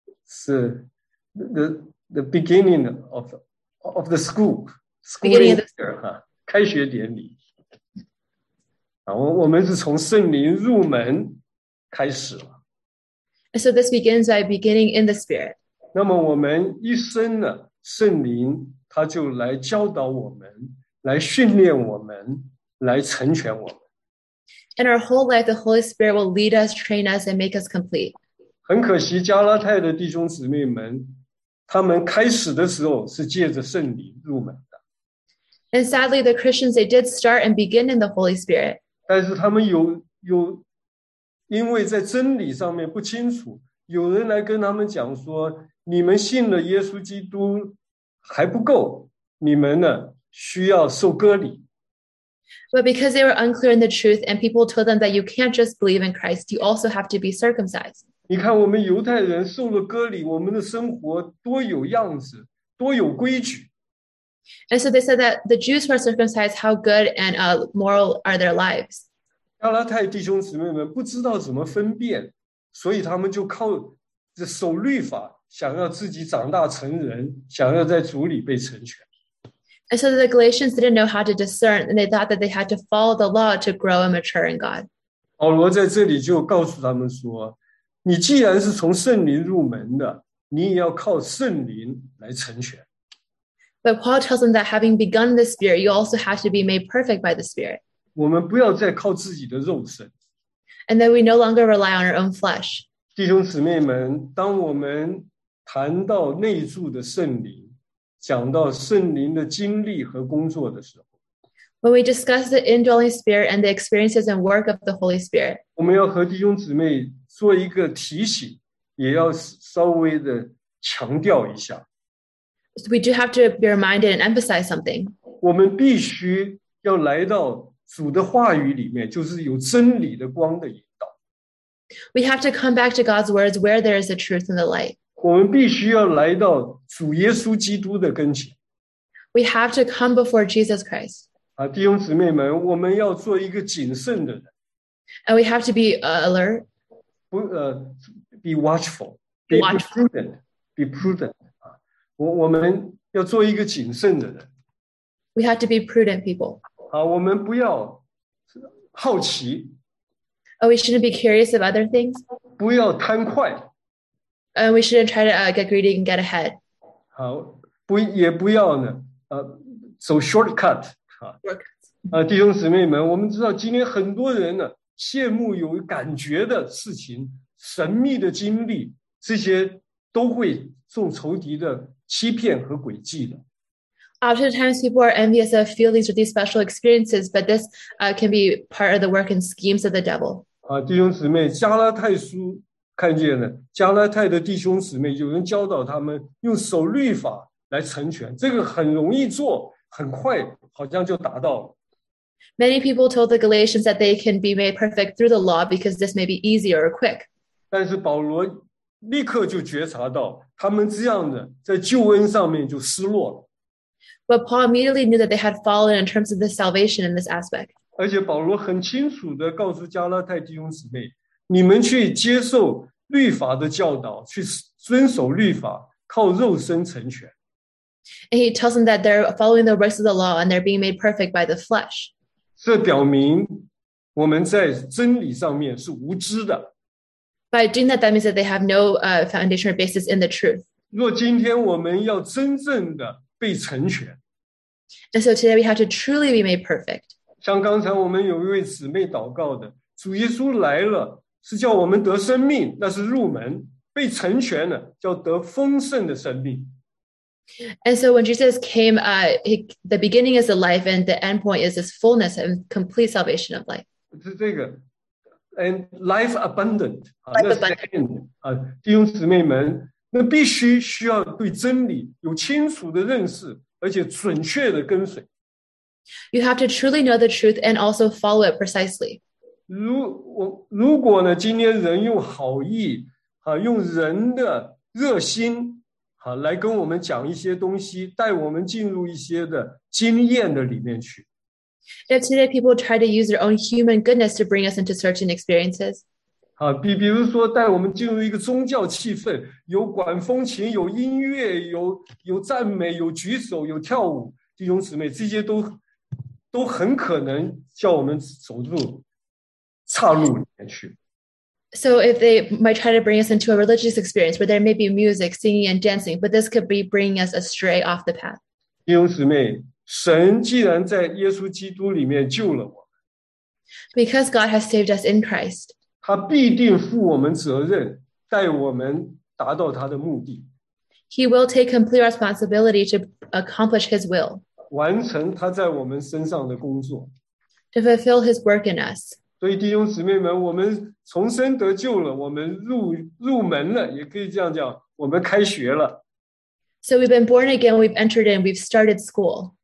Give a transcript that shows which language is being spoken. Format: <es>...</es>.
<en>The beginning of the school year, of the...</en> <zh>开学典礼。我们是从圣灵入门开始了。</zh> <en>So this begins by beginning in the Spirit.</en> <zh>那么我们一生呢，圣灵他就来教导我们，来训练我们，来成全我们。</zh> <en>In our whole life, the Holy Spirit will lead us, train us, and make us complete.</en> <zh>很可惜，加拉太的弟兄姊妹们，他们开始的时候是借着圣灵入门的。</zh> <en>And sadly, the Christians, they did start and begin in the Holy Spirit.</en> <zh>但是他们有因为在真理上面不清楚，有人来跟他们讲说，你们信了耶稣基督还不够，你们呢需要受割礼。</zh> <en>But because they were unclear in the truth, and people told them that you can't just believe in Christ, you also have to be circumcised.</en> <zh>你看我们犹太人受了割礼，我们的生活多有样子，多有规矩。</zh> <en>And so they said that the Jews who are circumcised, how good and moral are their lives?</en> <zh>加拉太弟兄姊妹们不知道怎么分辨，所以他们就靠守律法，想要自己长大成人，想要在主里被成全。</zh> <en>And so the Galatians didn't know how to discern, and they thought that they had to follow the law to grow and mature in God.</en> <zh>保罗在这里就告诉他们说，你既然是从圣灵入门的，你也要靠圣灵来成全。</zh> <en>But Paul tells them that having begun the Spirit, you also have to be made perfect by the Spirit.</en> <zh>我们不要再靠自己的肉身。</zh> <en>And then we no longer rely on our own flesh.</en> <zh>弟兄姊妹们，当我们谈到内住的圣灵，讲到圣灵的经历和工作的时候，</zh> <en>When we discuss the indwelling spirit and the experiences and work of the Holy Spirit,</en> <zh>我们要和弟兄姊妹做一个提醒，也要稍微的强调一下。</zh> <en>So we do have to be reminded and emphasize something.</en> <zh>我们必须要来到主的话语里面，就是有真理的光的引导。</zh> <en>We have to come back to God's words where there is the truth and the light.</en> <zh>我们必须要来到主耶稣基督的跟前。</zh> <en>We have to come before Jesus Christ.</en> <zh>弟兄姊妹们，我们要做一个谨慎的人。</zh> <en>And we have to be alert. Be watchful. Be watchful. Prudent. Be prudent.</en> <zh>我们要做一个谨慎的人。</zh> <en>We have to be prudent people.</en> <zh>我们不要好奇。</zh> <en>Oh, we shouldn't be curious of other things.</en> <zh>不要贪快。</zh> <en>And we shouldn't try to get greedy and get ahead.</en> <zh>也不要呢走 shortcut. 弟兄姊妹们，我们知道今天很多人呢羡慕有感觉的事情，神秘的经历，这些都会受仇敌的欺骗和诡计的。</zh> <en>Oftentimes, people are envious of feelings or these special experiences, but this can be part of the work and schemes of the devil.</en> <zh>弟兄姊妹，加拉太书看见了，加拉太的弟兄姊妹有人教导他们用守律法来成全，这个很容易做，很快好像就达到了。</zh> <en>Many people told the Galatians that they can be made perfect through the law because this may be easy or quick.</en> <zh>但是保罗立刻就觉察到，他们这样的在救恩上面就失落了。</zh> <en>But Paul immediately knew that they had fallen in terms of the salvation in this aspect.</en> <zh>而且保罗很清楚地告诉加拉太弟兄姊妹，你们去接受律法的教导，去遵守律法，靠肉身成全。</zh> <en>And he tells them that they're following the works of the law and they're being made perfect by the flesh.</en> <zh>这表明我们在真理上面是无知的。</zh> <en>By doing that, that means that they have no foundation or basis in the truth.</en> <zh>若今天我们要真正的被成全。</zh> <en>And so today we have to truly be made perfect.</en> <zh>像刚才我们有一位姊妹祷告的，主耶稣来了，是叫我们得生命，那是入门，被成全了，叫得丰盛的生命。</zh> <en>And so when Jesus came, the beginning is the life and the end point is this fullness and complete salvation of life.</en> <zh>是这个。</zh> <en>And life abundant. Life abundant.</en> <zh>弟兄姊妹们，那必须需要对真理有清楚的认识，而且准确的跟随。</zh> <en>You have to truly know the truth and also follow it precisely.</en> <zh>如果呢，今天人用好意，用人的热心，来跟我们讲一些东西，带我们进入一些的经验的里面去。</zh> <en>If today people try to use their own human goodness to bring us into certain experiences.</en> <zh>比如说带我们进入一个宗教气氛，有管风琴，有音乐，有赞美，有举手，有跳舞，弟兄姊妹，这些都很可能叫我们走入岔路里面去。</zh> <en>So if they might try to bring us into a religious experience where there may be music, singing and dancing, but this could be bringing us astray off the path.</en> <zh>弟兄姊妹，神既然在耶稣基督里面救了我们，</zh> <en>Because God has saved us in Christ,</en> <zh>他必定负我们责任，带我们达到他的目的。</zh> <en>He will take complete responsibility to accomplish his will,</en> <zh>完成他在我们身上的工作，</zh> <en>to fulfill his work in us.</en> <zh>所以弟兄姊妹们，我们重生得救了，我们 入门了，也可以这样讲，我们开学了。</zh> <en>So we've been born again, we've entered in, we've started school.</en>